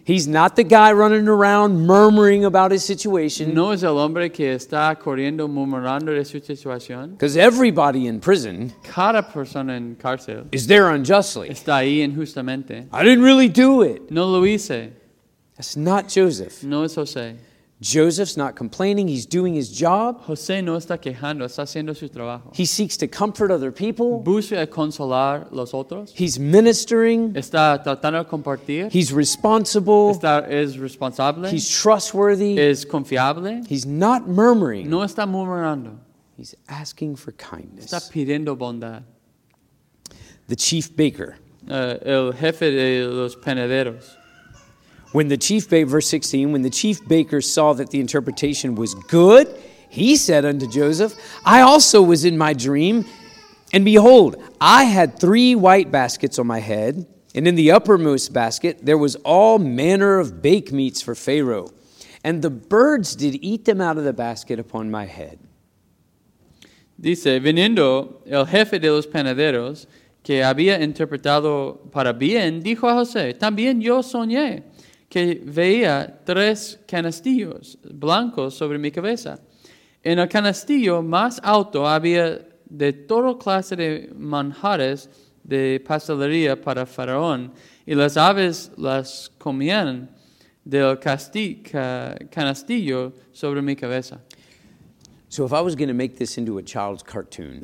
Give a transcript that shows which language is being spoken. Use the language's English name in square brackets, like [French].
[English] He's not the guy running around murmuring about his situation. [Spanish] No es el hombre que está corriendo murmurando de su situación. [English] Because everybody in prison [Spanish] cada persona en cárcel [English] is there unjustly. [Spanish] Está ahí injustamente. [English] I didn't really do it. [Spanish] No lo hice. [English] That's not Joseph. [Spanish] No es José. [English] Joseph's not complaining. He's doing his job. [Spanish] José no está quejando. Está haciendo su trabajo. [English] He seeks to comfort other people. [Spanish] Busca consolar los otros. [English] He's ministering. [Spanish] Está tratando de compartir. [English] He's responsible. [Spanish] Es responsable. [English] He's trustworthy. [Spanish] Es confiable. [English] He's not murmuring. [Spanish] No está murmurando. [English] He's asking for kindness. [Spanish] Está pidiendo bondad. [English] The chief baker. [Spanish] El jefe de los panaderos. [English] When the chief baker, verse 16, when the chief baker saw that the interpretation was good, he said unto Joseph, I also was in my dream, and behold, I had 3 white baskets on my head, and in the uppermost basket there was all manner of baked meats for Pharaoh, and the birds did eat them out of the basket upon my head. [Spanish] Dice, viniendo el jefe de los panaderos, que había interpretado para bien, dijo a José, también yo soñé. Que veía 3 canastillos blancos sobre mi cabeza. En el canastillo más alto había de toda clase de manjares de pastelería para Faraón, y las aves las comían del canastillo sobre mi cabeza. [English] So if I was going to make this into a child's cartoon.